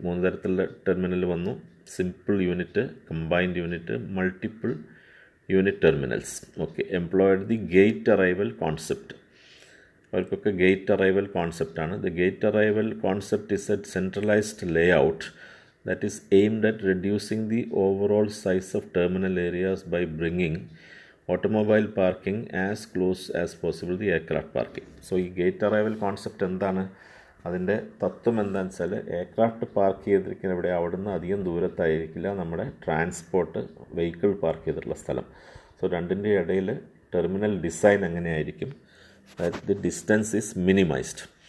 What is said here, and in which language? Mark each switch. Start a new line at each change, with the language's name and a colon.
Malayalam: മൂന്ന് തരത്തിലുള്ള ടെർമിനൽ വന്നു: simple unit, combined unit, multiple unit terminals.
English: Okay, employed the gate arrival concept.
Malayalam: അവർക്കൊക്കെ gate arrival കോൺസെപ്റ്റാണ്.
English: The gate arrival concept is a centralised layout that is aimed at reducing the overall size of terminal areas by bringing automobile parking as close as possible the aircraft parking.
Malayalam: So ഈ gate arrival concept എന്താണ്, അതിൻ്റെ തത്വം എന്താണെന്ന് വെച്ചാൽ aircraft park ചെയ്തിരിക്കുന്ന ഇവിടെ അവിടെ നിന്ന് അധികം ദൂരത്തായിരിക്കില്ല നമ്മുടെ ട്രാൻസ്പോർട്ട് വെഹിക്കിൾ പാർക്ക് ചെയ്തിട്ടുള്ള സ്ഥലം. സോ രണ്ടിൻ്റെ ഇടയിൽ ടെർമിനൽ ഡിസൈൻ എങ്ങനെയായിരിക്കും,
English: The distance is minimised.